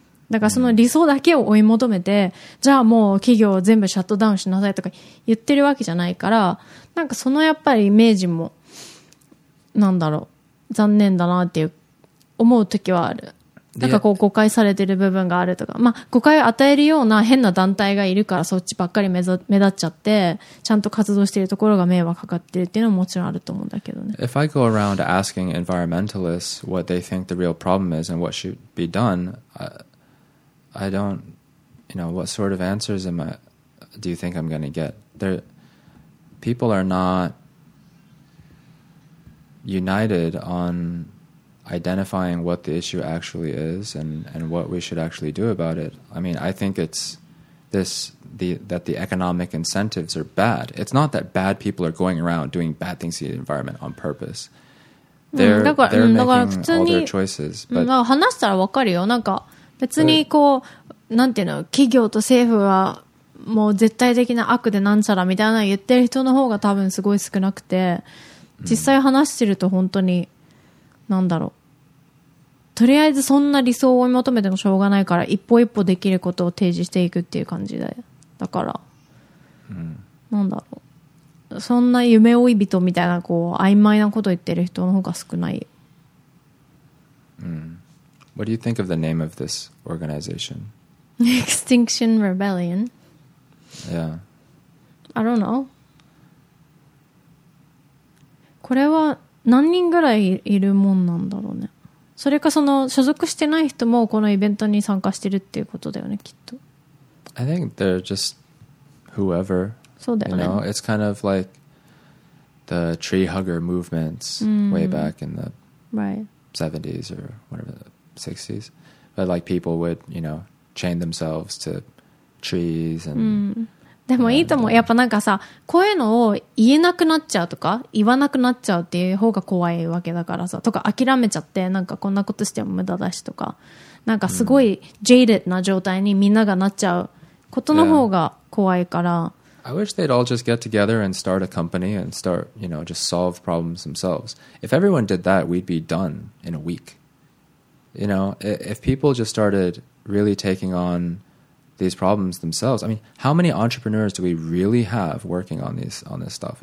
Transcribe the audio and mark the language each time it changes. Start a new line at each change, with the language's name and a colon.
Japanese: だからその理想だけを追い求めて、じゃあもう企業を全部シャットダウンしなさいとか言ってるわけじゃないから、なんかそのやっぱりイメージも、なんだろう。残念だなっていう思う時はある。なんかこう誤解されてる部分があるとか、まあ誤解を与えるような変な団体がいるから、そっちばっかり目立っちゃって、ちゃんと活動しているところが迷惑かかってるっていうのももちろんあると思うんだけどね。
English: If I go around asking environmentalists what they think the real problem is and what should be done, I don't, you know, what sort of answers do you think I'm going to get? People are notUnited on identifying what the issue actually is and what we should actually do about it. I mean, I think it's that the economic incentives are bad. It's not that bad people are going around doing bad things to the environment on purpose. They're making all their choices. But
Japanese: 話したら分かるよ。なんか別にこう、なんていうの、企業と政府はもう絶対的な悪でなんちゃらみたいな言ってる人の方が多分すごい少なくて。実際話してると本当に、なんだろう。とりあえずそんな理想を追い求めてもしょうがないから、一歩一歩できることを提示していくっていう感じで。だから、なんだろう。そんな夢追い人みたいな、こう、曖昧なことを言ってる人の方が少ない。
English: What do you think of the name of this organization? Extinction Rebellion? Yeah. I don't know.
Japanese: これは何人ぐらいいるもんなんだろうね。それかその所属してない人もこのイベントに参加してるっていうことだよね、きっと。
English: I think they're just whoever.
Japanese: そうだよね。
English: You know, it's kind of like the tree hugger movements way back in the '70s or whatever, the '60s. But like people would, you know, chain themselves to trees and.
Japanese: でもいいと思う。やっぱなんかさ、こういうのを言えなくなっちゃうとか、言わなくなっちゃうっていう方が怖いわけだからさ、とか諦めちゃって、なんかこんなことしても無駄だしとか、なんかすごい jaded な状態にみんながなっちゃうことの方が怖いから。
English: Yeah. I wish they'd all just get together and start a company and start, you know, just solve problems themselves. If everyone did that, we'd be done in a week. You know, if people just started really taking on... these problems themselves. I mean, how many entrepreneurs do we really have working on these on this stuff?